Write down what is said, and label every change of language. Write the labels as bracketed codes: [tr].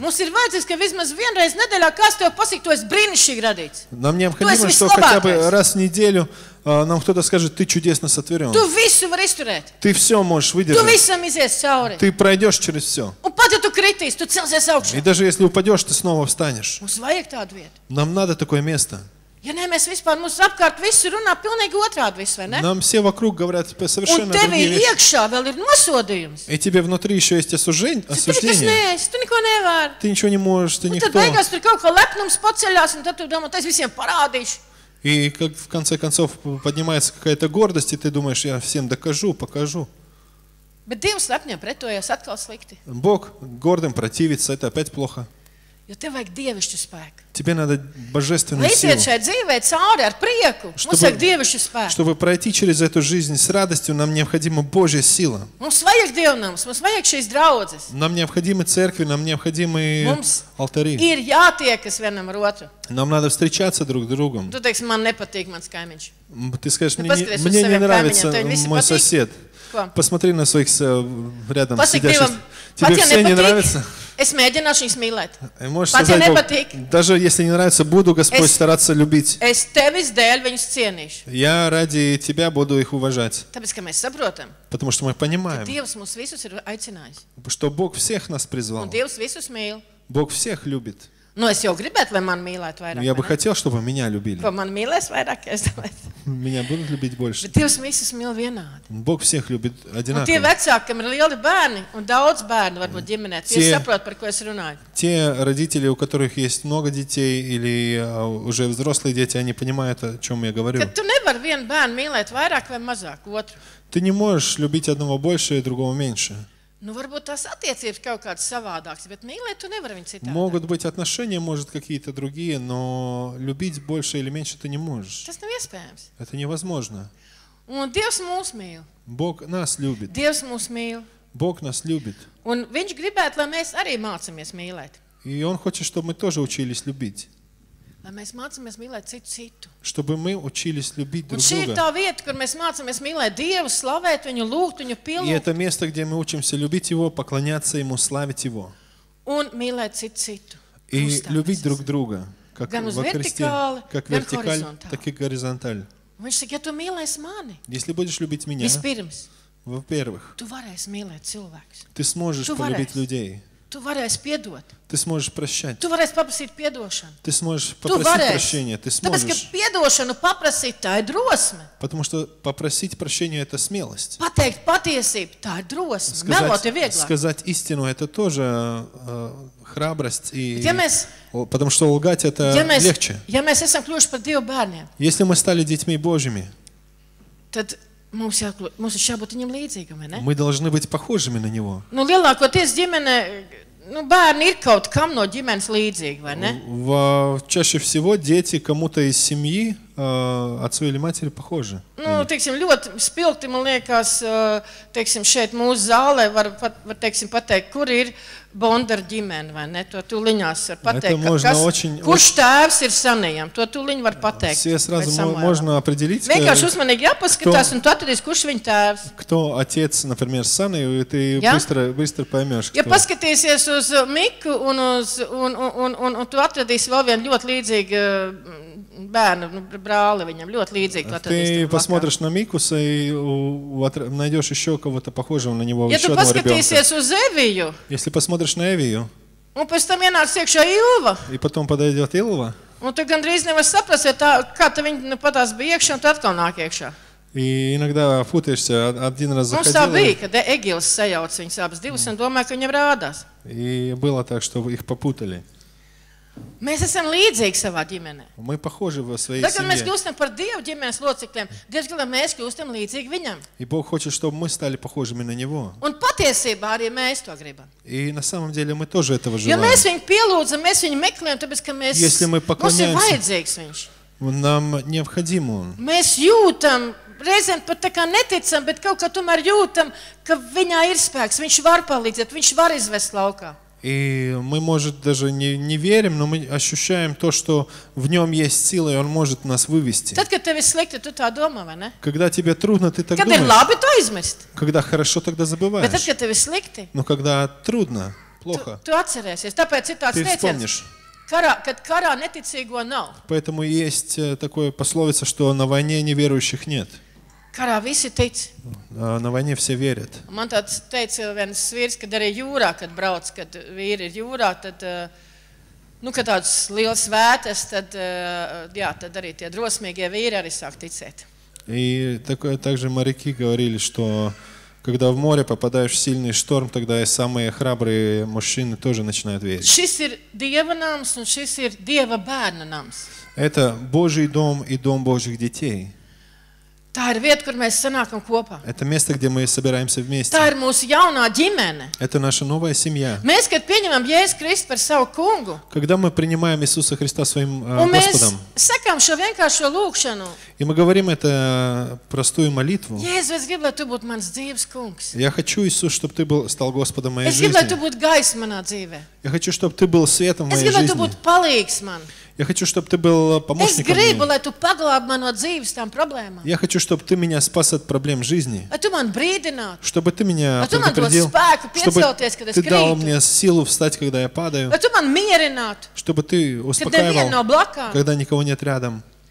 [lv] Mums ir vajadzīgs, ka vismaz vienreiz nedēļā kāds tev pasaka, tu esi brīnišķīgi radīts. [ru] Нам необходимо, что хотя бы раз в неделю нам кто-то скажет, ты чудесно сотворен. [lv] Tu visu var izturēt. [ru] Ты все можешь выдержать. [lv] Tu visam izies cauri. [ru] Ты пройдешь через все. [lv] Un pat, ja tu kritīs, tu celsies augšā. [ru] И даже если упадешь, ты снова встанешь. [lv] Mums vajag tādu vietu. [ru] Нам надо такое место. [lv] Ja ne, mēs vispār, mums apkārt visi runā pilnīgi otrādi visu, vai ne? [ru] Нам все вокруг говорят совершенно другие вещи. [lv] Un tevi iekšā vēl ir nosodījums. [ru] И тебе внутри еще есть осуждение. Ты никак не есть, ты никого не вар. Ты ничего не можешь, ты никто. [lv] Un tad beigās tur kaut ko lepnums paceļās, un tad tu domā, tā es visiem parādīšu. [ru] И как в конце концов поднимается какая-то гордость, и ты думаешь, я всем докажу, покажу. [lv] Bet Dievs lepņiem pretojas atkal slikti. [ru] Бог гордым противится, это опять плохо. [lv] Jo tev vajag dievišķu spēku. [ru] Tebe nada božественную силу. [lv] Lai šai dzīvei cauri ar prieku. Mums vajag dievišķu spēku. [ru] Чтобы пройти через эту жизнь с радостью, нам необходима Божья сила. [lv] Mums vajag dievnams, mums vajag šīs draudzes. [ru] Нам необходимы церкви, нам необходимы алтари. [lv] Mums ir jātiekas vienam ar otru. [ru] Нам надо встречаться друг с другом. [lv] Tu teiksi, man nepatīk mans kaimiņš. [ru] Ты скажешь, мне не нравится мой сосед. Посмотри на своих рядом сидящих. Тебе все не нравится? [lv] Es mēģināšu viņus mīlēt. Pat, ja nepatīk. [ru] Даже если не нравится, буду Господь стараться любить. [lv] Es tevis dēļ viņus cienīšu. [ru] Я ради тебя буду их уважать. [lv] Tāpēc, ka mēs saprotam. [ru] Потому что мы понимаем. [lv] Ka Dievs mūs visus ir aicinājis. [ru] Что Бог всех нас призвал. [lv] Un Dievs visus mīl. [ru] Бог всех любит. [lv] Ну, es jau gribētu, lai mani mīlētu vairāk. [ru] Я бы хотел, чтобы меня любили. [lv] Vai mani mīlēs vairāk, ja es domāju. [ru] Меня будут любить больше. [lv] Bet Dievs visus mīl vienādi. [ru] Бог всех любит одинаково. [lv] Un tie vecāki, kam ir lieli bērni un daudz bērnu, varbūt ģimenē, tie saprot, par ko es runāju. [ru] Те родители, у которых есть много детей или уже взрослые дети, они понимают, о чем я говорю. [lv] Ka tu nevar vienu bērnu mīlēt vairāk vai mazāk otru. [ru] Ты не можешь любить одного больше и другого меньше. [lv] Ну, varbūt tās attiecības kaut kādas savādākas, bet mīlēt tu nevar viņu citādāk. [ru] Могут быть отношения, может, какие-то другие, но любить больше или меньше ты не можешь. [lv] Tas nav iespējams. [ru] Это невозможно. [lv] Un Dievs mūs mīl. [ru] Бог нас любит. [lv] Dievs mūs mīl. [ru] Бог нас любит. [lv] Un viņš gribētu, lai mēs arī mācāmies mīlēt. [ru] И он хочет, чтобы мы тоже учились любить. [lv] Lai mēs mācāmies mīlēt citu citu. [ru] Чтобы мы учились любить друг друга. [lv] Un šī ir tā vieta, kur mēs mācāmies mīlēt Dievu, slavēt viņu, lūgt viņu, pilnīt. [ru] И это место, где мы учимся любить Его, поклоняться Ему, славить Его. [lv] Un mīlēt citu citu. [ru] И любить друг друга. Как [lv] gan uz [ru] вертикали, [lv] gan [ru] вертикаль, так и горизонталь. [lv] Viņš saka, ja tu mīlēsi mani. [ru] Если будешь любить меня. [lv] Vispirms. [ru] Во-первых. [lv] Tu varēsi mīlēt cilvēkus. [ru] Ты сможешь полюбить людей. [lv] Tu varēsi piedot. [ru] Ты сможешь прощать. [lv] Tu varēsi paprasīt piedošanu. [ru] Ты сможешь попросить прощения. Ты сможешь. [lv] Tāpēc, ka piedošanu paprasīt, tā ir drosme. [ru] Потому что попросить прощения это смелость. [lv] Pateikt patiesību, tā ir drosme. Melot ir vieglāk. [ru] Сказать истину это тоже храбрость и [lv] ja mēs, [ru] потому что лгать это [lv] ja mēs, [ru] легче. [lv] Ja mēs esam kļuvuši par Dievu bērniem. [ru] Если мы стали детьми Божьими. [lv] Tad mums jākļu, mums ir šābūt viņam līdzīgam, vai ne? [ru] Мы должны быть похожими на него. [lv] Ну, lielākoties ģimene, Nu, bērni ir kaut kam no ģimenes līdzīgi, vai ne? [ru] Чаще всего дети кому-то из семьи от своей или матери похожи. [lv] Nu, teiksim, ļoti spilgti, man liekas, teiksim, šeit mūsu zālē var teiksim, pateikt, kur ir Bondar ģimene, vai ne? To tūliņās var pateikt, kurš tēvs ir sanajam, to tūliņ var pateikt. [ru] Все сразу можно определить. [lv] Vienkārši uzmanīgi jāpaskatās, un tu atradīsi, kurš viņa tēvs. [ru] Кто отец, например, сани, и ты быстро поймёшь, кто. [lv] Ja paskatīsies uz Miku un uz un tu atradīsi vēl vienu ļoti līdzīgu bērnu, nu, brāli viņam ļoti līdzīgu, tu atradīsi. [ru] Ты посмотришь на Микус и найдёшь ещё кого-то похожего на него, ещё одного ребёнка. [lv] Ja tu paskatīsies uz Eviju. [ru] Если посмотришь на Эвию. [lv] Un pēc tam ienāks iekšā Ilva. [ru] И потом подойдёт Ilva. [lv] Un tu gandrīz nevar saprast, ja tā, kā tā viņa nu, patās bija iekšā, un tu atkal nāk iekšā. [ru] И иногда футаешься, один раз заходил. [lv] Mums tā bija, kad Egils sajauc viņas abas divas, un domāju, ka viņam rādās. [ru] И было так, что их попутали. [lv] Mēs esam līdzīgi savā ģimenē. [ru] Мы похожи в своей семье. [lv] Tagad mēs kļūstam par Dievu ģimenes locekļiem. Dievs grib, lai mēs kļūstam līdzīgi viņam. [ru] И Бог хочет, чтобы мы стали похожими на него. [lv] Un patiesībā arī mēs to gribam. [ru] И на самом деле мы тоже этого желаем. [lv] Ja mēs viņu pielūdzam, mēs viņu meklējam, tāpēc, ka mēs... [ru] Если мы поклоняемся... [lv] Mums ir vajadzīgs viņš. Un [ru] нам необходим он. [lv] Mēs jūtam, reizēm pat tā kā neticam, bet kaut kā tomēr jūtam, ka viņā ir spēks, viņš var palīdzēt, viņš var izvest laukā. [ru] И мы, может, даже не верим, но мы ощущаем то, что в нем есть сила, и он может нас вывести. [lv] Tad, kad tevi slikti, tu tā domā, vai ne? [ru] Когда тебе трудно, ты так [lv] kad [ru] думаешь. Когда [lv] labi, то izmest. [ru] Когда хорошо, тогда забываешь. [lv] Bet tad, kad tevi slikti. [ru] Но когда трудно, плохо. [lv] Tu atcerēsies, tāpēc ir tāds teiciens. [ru] Ты вспомнишь. [lv] Karā, kad karā neticīgo nav. [ru] Поэтому есть такое пословица, что на войне неверующих нет. [lv] Karā visi tic. [ru] На войне все верят. [lv] Man tāds teica viens vīrs, kad arī jūrā, kad brauc, kad vīri ir jūrā, tad, nu, kad tāds liels vētes, tad, jā, tad arī tie drosmīgie vīri arī sāk ticēt. [ru] И также моряки говорили, что когда в море попадаешь в сильный шторм, тогда и самые храбрые мужчины тоже начинают верить. [lv] Šis ir Dieva nams un šis ir Dieva bērna nams. [ru] Это Божий дом и дом Божьих детей. [lv] Tā ir vieta, kur mēs sanākam kopā. [ru] Это место, где мы собираемся вместе. [lv] Tā ir mūsu jaunā ģimene. [ru] Это наша новая семья. [lv] Mēs, kad pieņemam Jēzus Kristu par savu kungu, [ru] когда мы принимаем Иисуса Христа своим Господом, [lv] un mēs sakām šo vienkāršo lūkšanu, [ru] и мы говорим это простую молитву, [lv] Jēzus, es gribu, lai tu būtu mans dzīves kungs. [ru] Я хочу, Иисус, чтобы ты был, стал Господом моей жизни. [lv] Es gribu, lai tu būtu gaiss manā dzīvē. [ru] Я хочу, чтобы ты был светом моей жизни. [lv] Es gribu, lai tu būtu palīgs man. [ru] Я хочу, чтобы ты был помощником [lv] Es gribu, [ru] мне. [lv] Lai tu paglāb man no dzīves tām problēmām. [ru] Я хочу, чтобы ты меня спас от проблем жизни. [lv] Lai tu man brīdinātu. [ru] Чтобы ты меня предупредил. [lv] Lai tu man dod spēku piecelties, kad es krītu. [ru] Ты дал мне силу встать, когда я падаю. [lv] Lai tu man mierinātu. [ru] Чтобы ты успокаивал. [lv] Kad neviena no [ru] когда никого нет рядом.